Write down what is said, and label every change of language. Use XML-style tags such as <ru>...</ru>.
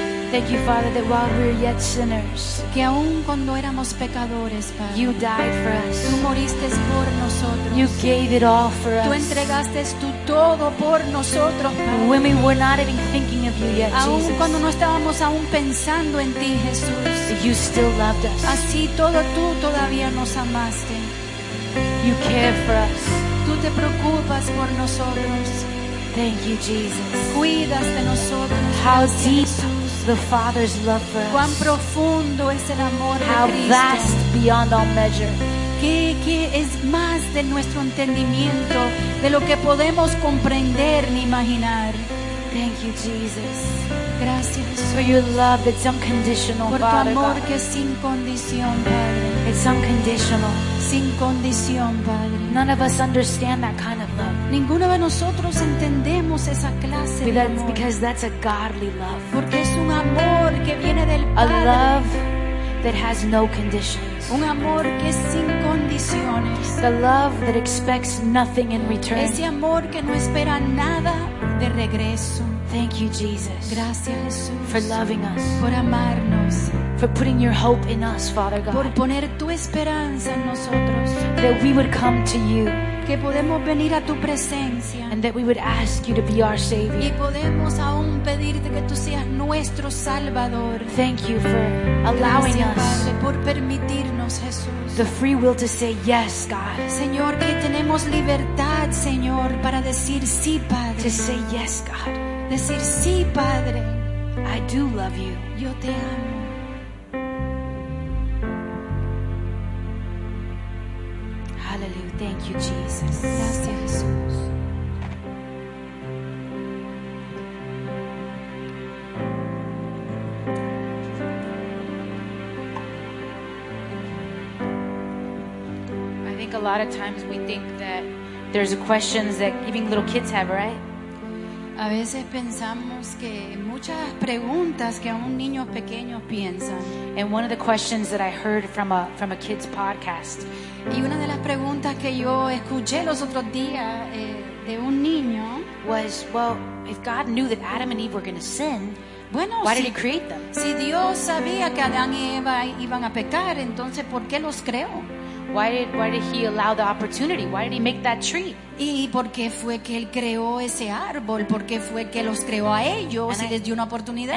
<en>Thank you, Father, that while we were yet sinners,</en> <es>que aun cuando éramos pecadores, Padre,</es> <en>you died for us.</en> <es>Tú moriste por nosotros.</es> <en>You gave it all for us.</en> <es>Tú entregaste tu todo por nosotros, Padre.</es> <en>When we were not even thinking of you yet,</en> <es>aun</es> <en>Jesus.</en> <es>Cuando no estábamos aún pensando en ti, Jesús.</es> <en>You still loved us.</en> <es>Así todo tú todavía nos amaste.</es> <en>You care for us.</en> <es>Tú te preocupas por nosotros.</es> <en>Thank you, Jesus.</en> <es>Cuidas de nosotros.</es> <en>How deep the Father's love for us.</en> <es>Cuán profundo es el amor de</es> <en>Cristo. How vast beyond all measure.</en> <es>Que es más de nuestro entendimiento, de lo que podemos comprender ni imaginar.</es> <en>Thank you, Jesus.</en> <es>Gracias.</es> <en>For your love that's unconditional, Father.</en> <es>Por tu amor que es sin condición, Padre.</es> <en>It's unconditional.</en> <es>Sin condición, Padre.</es> <en>None of us understand that kind of love.</en> <es>Ninguno de nosotros entendemos esa clase de amor.</es> <en>Because that's a godly love.</en> <es>Porque es un amor que viene del Padre.</es> <en>A love that has no conditions.</en> <es>Un amor que es sin condiciones.</es> <en>The love that expects nothing in return.</en> <es>Ese amor que no espera nada de regreso.</es> <en>Thank you, Jesus.</en> <es>Gracias, Jesús.</es> <en>For loving us.</en> <es>Por amarnos.</es> <en>For putting your hope in us, Father God.</en> <es>Por poner tu esperanza en nosotros.</es> <en>That we would come to you.</en> <es>Que podemos venir a tu presencia.</es> <en>And that we would ask you to be our Savior.</en> <es>Y podemos aún pedirte que tú seas nuestro Salvador.</es> <en>Thank you for allowing</en> <es>Gracias, Padre,</es> <en>us.</en> <es>Por permitirnos, Jesús.</es> <en>The free will to say yes, God.</en> <es>Señor, que tenemos libertad, Señor, para decir sí, Padre.</es> <en>To say yes, God.</en> <es>Decir sí, Padre.</es> <en>I do love you.</en> <es>Yo te amo.</es> <en>Hallelujah. Thank you, Jesus.</en> <es>Gracias, Jesús.</es> <en>I think a lot of times we think that there's questions that even little kids have, right?</en> <es>A veces pensamos que muchas preguntas que aún niños pequeños piensan.</es> <en>And one of the questions that I heard from a kids podcast.</en> <es>Y una de las preguntas que yo escuché los otros días de un niño</es> <en>was, well, if God knew that Adam and Eve were going to sin,</en> <es>bueno,</es> <en>why</en> <es>si,</es> <en>did He create them?</en> <es>Si Dios sabía que Adán y Eva iban a pecar, entonces ¿por qué los creó?</es> <en>Why did He allow the opportunity? Why did He make that tree?</en> <es>¿Y por qué fue que él creó ese árbol? ¿Por qué fue que los creó a ellos y les dio una oportunidad?</es>